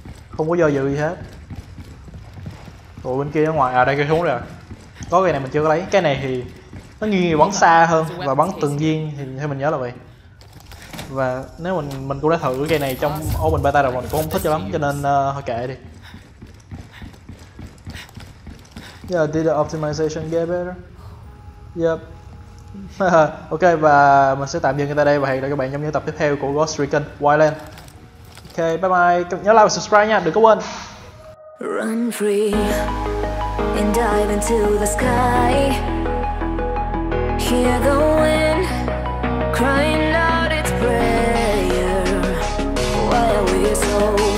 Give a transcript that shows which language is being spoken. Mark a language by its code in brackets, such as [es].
[vi] Không có do dự gì hết. Ủa bên kia ở ngoài, à đây cây súng rồi. Có cái này mình chưa có lấy. Cái này thì nó nghiêng bắn xa hơn và bắn từng viên thì theo mình nhớ là vậy. Và nếu mình cũng đã thử cái cây này trong open beta rồi mà mình cũng không thích cho lắm cho nên thôi kệ đi. [en] Yeah, did the optimization get better? Yep. [vi] Ok và mình sẽ tạm dừng cái tại đây và hẹn gặp lại các bạn trong những tập tiếp theo của Ghost Recon Wildlands. Ok, bye bye. Nhớ like và subscribe nha, đừng có quên. [en] Run free and dive into the sky. Hear the wind crying out its prayer. Why are we so